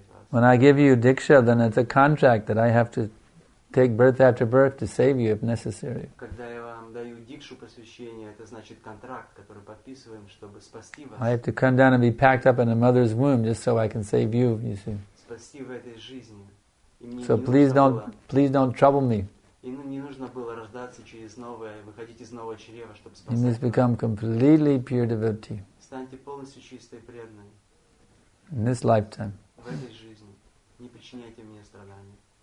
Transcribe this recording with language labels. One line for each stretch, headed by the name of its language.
English: When I give you diksha, then it's a contract that I have to take birth after birth to save you if necessary.
Russian: Посвящение, это значит контракт, который подписываем, чтобы спасти вас.
English: I have to come down and be packed up in a mother's womb just so I can save you, you see.
Russian: Спасти в этой жизни. И мне
English: so please don't trouble me.
Russian: И не нужно было рождаться через новое, выходить из нового чрева, чтобы спасти.
English: You must become completely pure devotee.
Russian: Станьте полностью чистой преданной.
English: In this lifetime.
Russian: В этой жизни. Не причиняйте мне страдания.